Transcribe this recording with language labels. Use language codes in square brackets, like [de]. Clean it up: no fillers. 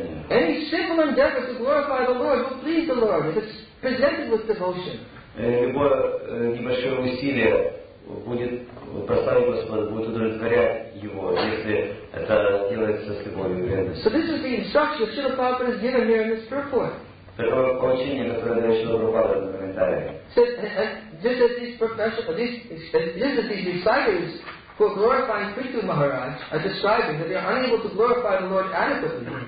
[en] Any simple endeavor to glorify the Lord will please the Lord if it's presented with devotion. [ru] Любое небольшое усилие будет прославить Господа, будет удовлетворять Его, если это делается с любовью и преданностью. [en] So this is the instruction that Srila Prabhupada has given here in this purport. [ru] Такое поучение, которое дает Шрила Прабхупада в комментариях. [en] Just as these disciples who are glorifying Prithu Maharaj are describing that they are unable to glorify the Lord adequately.